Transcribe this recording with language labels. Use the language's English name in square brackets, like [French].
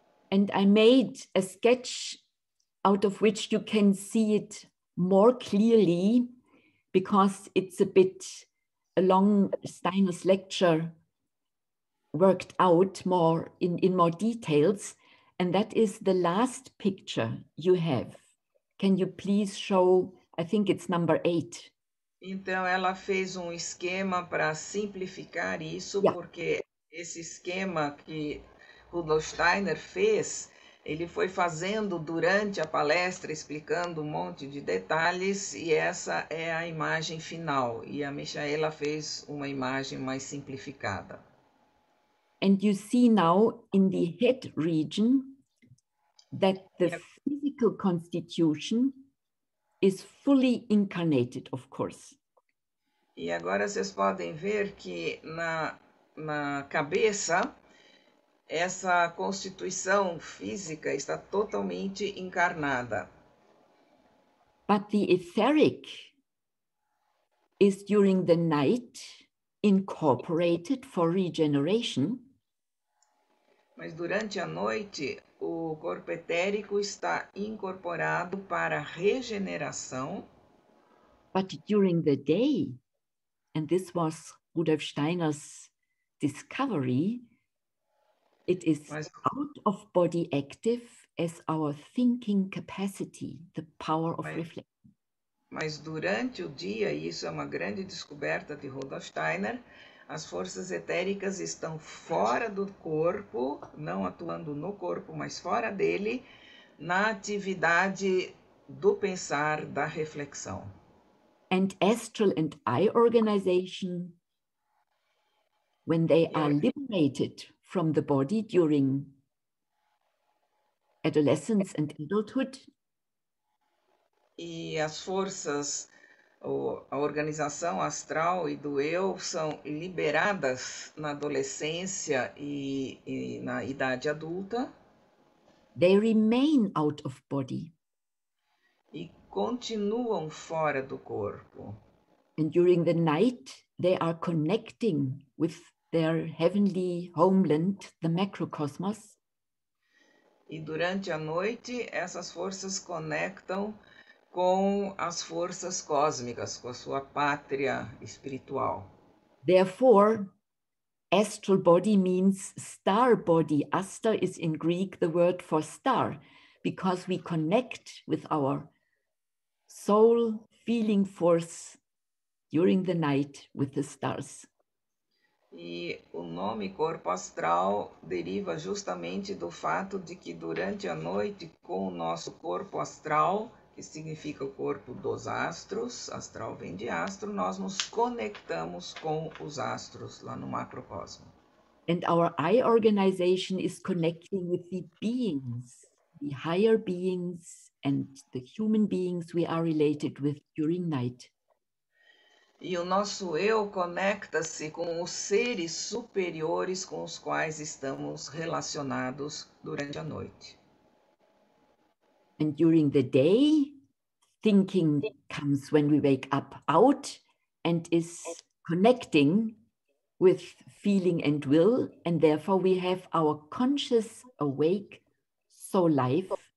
[English] And I made a sketch out of which you can see it more clearly, because it's a bit along Steiner's lecture worked out more in more details. And that is the last picture you have. Can you please show, I think it's number 8. [Portuguese] Então ela fez um esquema para simplificar isso, [English] yeah. [Portuguese] Porque esse esquema que Rudolf Steiner fez, ele foi fazendo durante a palestra, explicando um monte de detalhes, e essa é a imagem final. E a Michaela fez uma imagem mais simplificada. [English] And you see now in the head region that the physical constitution is fully incarnated, of course. [Portuguese] E agora vocês podem ver que na cabeça, essa constituição física está totalmente encarnada. [English] But the etheric is during the night incorporated for regeneration. [Portuguese] Mas durante a noite, o corpo etérico está incorporado para regeneração. [English] But during the day, and this was Rudolf Steiner's discovery, it is out of body active as our thinking capacity, the power of reflection. [Portuguese] Mas durante o dia, e isso é uma grande descoberta de Rudolf Steiner, as forças etéricas estão fora do corpo, não atuando no corpo, mas fora dele, na atividade do pensar, da reflexão. [English] And astral and eye organization, when they are liberated from the body during adolescence and adulthood. [Portuguese] E as forças, a organização astral e do eu são liberadas na adolescência e na idade adulta. [English] They remain out of body. [Portuguese] E continuam fora do corpo. [English] And during the night, they are connecting with their heavenly homeland, the macrocosmos. [Portuguese] E durante a noite, essas forças conectam com as forças cósmicas, com a sua pátria espiritual. [English] Therefore, astral body means star body. Astar is in Greek the word for star, because we connect with our soul feeling force during the night with the stars. [Portuguese] E o nome corpo astral deriva justamente do fato de que durante a noite, com o nosso corpo astral, que significa o corpo dos astros, astral vem de astro, nós nos conectamos com os astros lá no macrocosmo. [English] And our eye organization is connecting with the beings, the higher beings and the human beings we are related with during night. [Portuguese] E o nosso eu conecta-se com os seres superiores com os quais estamos relacionados durante a noite. [English] And during the day, thinking comes when we wake up out and is connecting with feeling and will, and therefore we have our conscious awake soul life.